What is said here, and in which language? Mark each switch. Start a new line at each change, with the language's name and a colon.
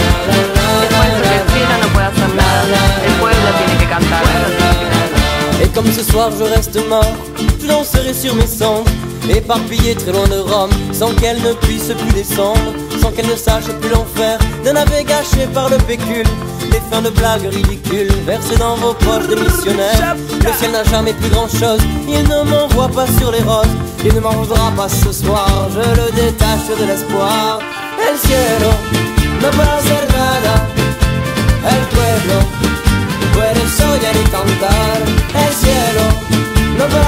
Spanish: Después de decir no puede hacer nada, el pueblo tiene que cantar.
French: Et comme ce soir je reste mort, je danserai sur mes cendres, éparpillé très loin de Rome, sans qu'elle ne puisse plus descendre, sans qu'elle ne sache plus l'enfer d'un navet avait gâché par le pécule, des fins de blagues ridicules versées dans vos poches de missionnaires. Le ciel n'a jamais plus grand chose, il ne m'envoie pas sur les roses, il ne m'en voudra pas ce soir, je le détache de l'espoir.
Spanish: El cielo no puede hacer nada, el pueblo puede soñar y cantar. El cielo no